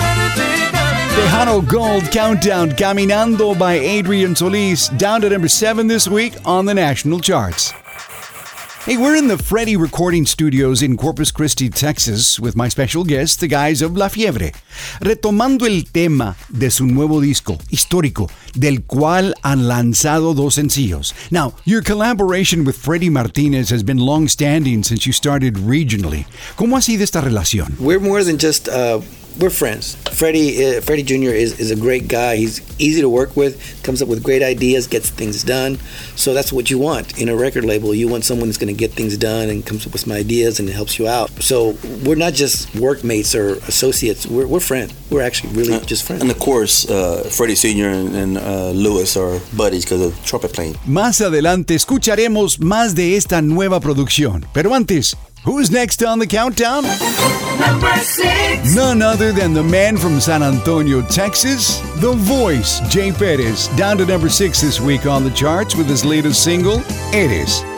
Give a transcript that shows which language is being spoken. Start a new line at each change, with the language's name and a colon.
English: Tejano Gold Countdown, Caminando by Adrian Solis, down to number 7 this week on the national charts. Hey, we're in the Freddy Recording Studios in Corpus Christi, Texas, with my special guest, the guys of La Fiebre.
Spanish: Retomando el tema de su nuevo disco, histórico, del cual han lanzado dos sencillos.
English: Now, your collaboration with Freddy Martinez has been long-standing since you started regionally.
Spanish: ¿Cómo ha sido esta relación?
English: We're more than just... We're friends. Freddie Jr. is a great guy. He's easy to work with, comes up with great ideas, gets things done. So that's what you want in a record label. You want someone that's going to get things done and comes up with some ideas and helps you out. So we're not just workmates or associates. We're friends. We're actually really just friends. And of course, Freddie Sr. and Lewis are buddies because of trumpet playing.
Spanish: Más adelante escucharemos más de esta nueva producción. Pero antes...
English: Who's next on the countdown? Number 6. None other than the man from San Antonio, Texas, The Voice, Jay Perez, down to number 6 this week on the charts with his latest single, Eres.